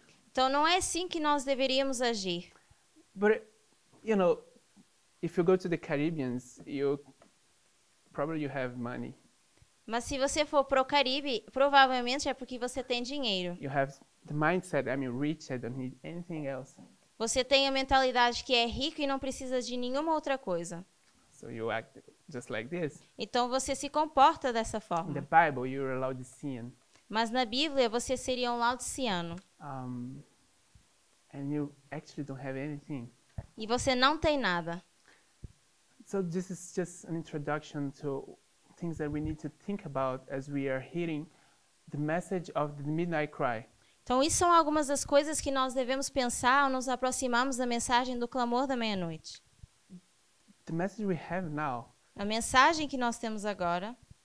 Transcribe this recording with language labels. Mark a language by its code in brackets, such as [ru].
[pt] Então não é assim que nós deveríamos agir. [en] But you know, if you go to the Caribbean, you have money. [pt] Mas se você for pro Caribe, provavelmente é porque você tem dinheiro. [en] You have the mindset, I'm rich, I don't need anything else. [pt] Você tem a mentalidade que é rico e não precisa de nenhuma outra coisa. [en] So you act just like this. [pt] Então você se comporta dessa forma. [en] In the Bible, you're a Laodicean. [pt] Mas na Bíblia você seria um Laodiceano. [en] And you actually don't have anything. [pt] E você não tem nada. [en] So this is just an introduction to things that we need to think about as we are hearing the message of the midnight cry. [pt] Então, isso são algumas das coisas que nós devemos pensar ao nos aproximarmos da mensagem do clamor da meia-noite. [en] The message we have now, [pt] a mensagem que nós temos agora,